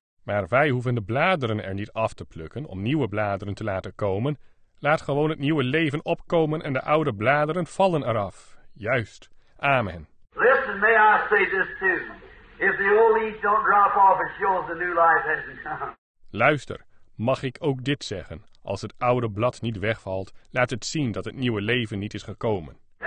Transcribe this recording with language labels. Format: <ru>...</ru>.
<nl>Maar wij hoeven de bladeren er niet af te plukken om nieuwe bladeren te laten komen. Laat gewoon het nieuwe leven opkomen en de oude bladeren vallen eraf. Juist. Amen.</nl> <en>Listen, may I say this too. If the old leaves don't drop off, it shows the new life hasn't come.</en> <nl>Luister, mag ik ook dit zeggen? Als het oude blad niet wegvalt, laat het zien dat het nieuwe leven niet is gekomen.</nl>